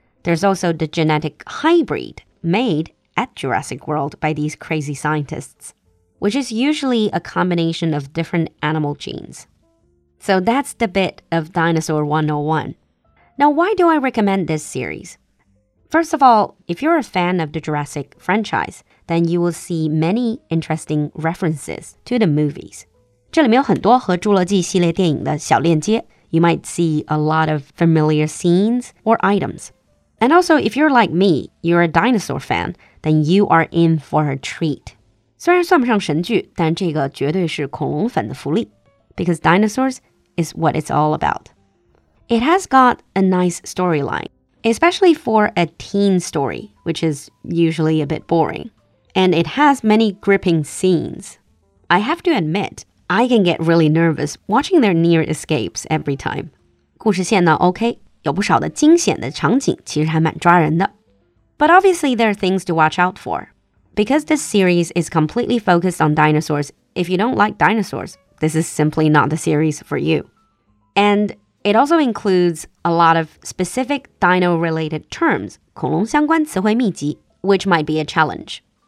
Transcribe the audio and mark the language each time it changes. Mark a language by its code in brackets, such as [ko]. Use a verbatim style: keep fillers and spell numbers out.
[en] There's also the genetic hybrid made at Jurassic World by these crazy scientists, which is usually a combination of different animal genes. So that's the bit of Dinosaur one oh one. Now, why do I recommend this series? First of all, if you're a fan of the Jurassic franchise, then you will see many interesting references to the movies. [zh] 这里面有很多和侏罗纪系列电影的小链接。 [en] You might see a lot of familiar scenes or items. And also, if you're like me, you're a dinosaur fan, then you are in for a treat. [zh] 虽然算不上神剧，但这个绝对是恐龙粉的福利。 [en] Because dinosaurs is what it's all about. It has got a nice storyline, especially for a teen story, which is usually a bit boring. And it has many gripping scenes. I have to admit, I can get really nervous watching their near escapes every time. [zh] 故事线呢 OK, 有不少的惊险的场景其实还蛮抓人的。 [en] But obviously there are things to watch out for. Because this series is completely focused on dinosaurs, if you don't like dinosaurs, this is simply not the series for you. And it also includes a lot of specific dino-related terms, [zh] 恐龙相关词汇秘籍, [en] which might be a challenge.